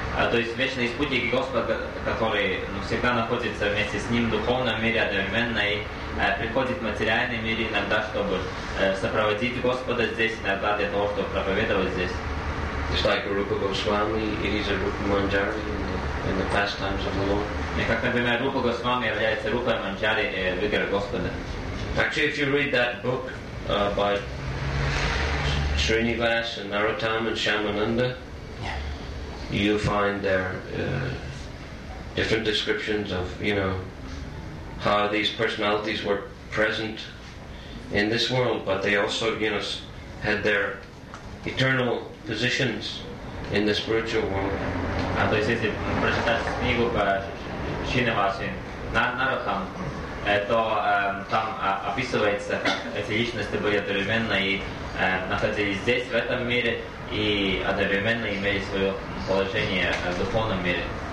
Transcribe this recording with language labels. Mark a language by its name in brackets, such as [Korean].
[Russian] То есть вечные спутники Господа, которые всегда находятся вместе с Ним в духовном мире одновременно и приходят в материальный мир иногда, чтобы сопроводить Господа здесь, иногда для того, чтобы проповедовать здесь. [English] Just like Rupa Goswami, it is a Rupa Manjari in the pastimes of the Lord. [Russian] И как, например, Rupa Goswami является Rupa Manjari в игре Господа. [English] Actually, if you read that book by Srinivas and Narottam and Shyamananda, you'll find there different descriptions of, you know, how these personalities were present in this world, but they also, you know, had their eternal positions in the spiritual world. [Russian] А то есть если прочитать книгу по Шринивасе Нарахам, то там описывается, как эти личности были одновременно и находились здесь, в этом мире, и одновременно имели свое положение в духовном мире.